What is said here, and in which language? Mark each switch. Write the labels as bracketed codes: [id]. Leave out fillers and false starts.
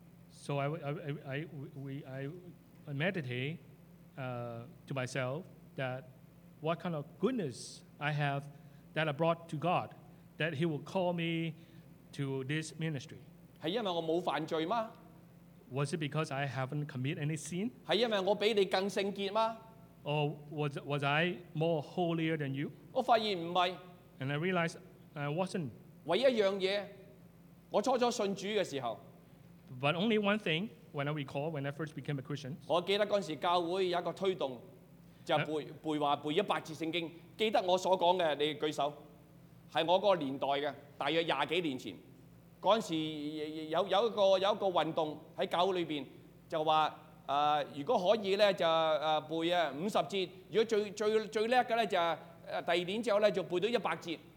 [en] So I meditate to myself that what kind of goodness I have that I brought to God that He will call me to this ministry. [yue] 係因為我冇犯罪嗎？ [en] Was it because I haven't committed any sin? [yue] 係因為我比你更聖潔嗎？ [en] Or was I more holier than you? [yue] 我發現唔係。 [en] And I realized I wasn't. [yue] 唯一一樣嘢，我初初信主嘅時候。 [en] But only one thing, when I recall, when I first became a Christian. [yue] 我記得嗰陣時教會有一個推動，就背話背一百節聖經。記得我所講嘅，你舉手。係我嗰個年代嘅，大約廿幾年前。嗰陣時有一個運動喺教會裏邊，就話如果可以咧就背啊五十節，如果最叻嘅咧就第二年之後咧就背到一百節。